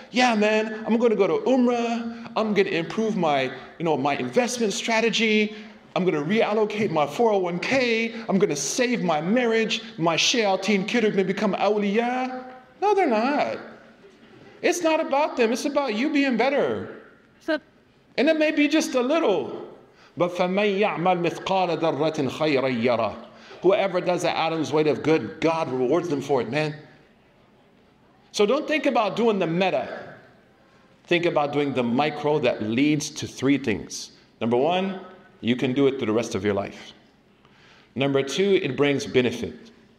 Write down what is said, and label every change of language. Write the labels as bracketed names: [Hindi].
[English] Yeah, man, I'm going to go to Umrah. I'm going to improve my, you know, my investment strategy. I'm going to reallocate my 401k. I'm going to save my marriage. My shayateen kid are going to become awliya. No, they're not. It's not about them. It's about you being better. And it may be just a little. [Arabic] But فَمَنْ يَعْمَلْ مِثْقَالَ ذَرَّةٍ خَيْرًا يَرَى. [English] Whoever does the atom's weight of good, God rewards them for it, man. So don't think about doing the meta. Think about doing the micro that leads to three things. Number one, you can do it through the rest of your life. Number two, it brings benefit.